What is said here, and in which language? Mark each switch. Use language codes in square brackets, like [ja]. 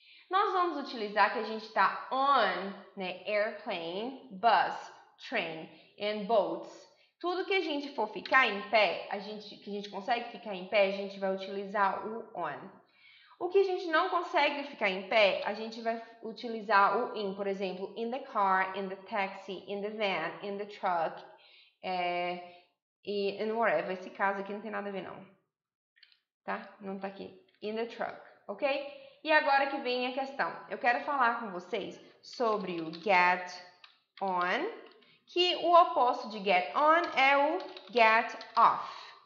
[pt] Nós vamos utilizar que a gente está on, né, [en] airplane, bus, train and boats. [pt] Tudo que a gente for ficar em pé, que a gente consegue ficar em pé, a gente vai utilizar o on. O que a gente não consegue ficar em pé, a gente vai utilizar o in. Por exemplo, [en] in the car, in the taxi, in the van, in the truck, and whatever. [pt] Esse caso aqui não tem nada a ver, não. Tá? Não tá aqui. [en] In the truck, ok? [pt] E agora que vem a questão, eu quero falar com vocês sobre o get on, que o oposto de get on é o get off.